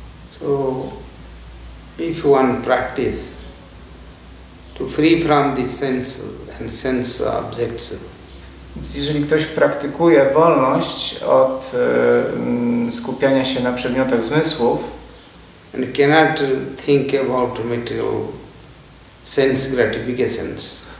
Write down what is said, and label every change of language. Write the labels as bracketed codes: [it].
[en] So, if one practice to free from the sense and sense objects. [pl] Jeżeli ktoś praktykuje wolność od skupiania się na przedmiotach zmysłów, [en] and cannot think about material sense gratifications,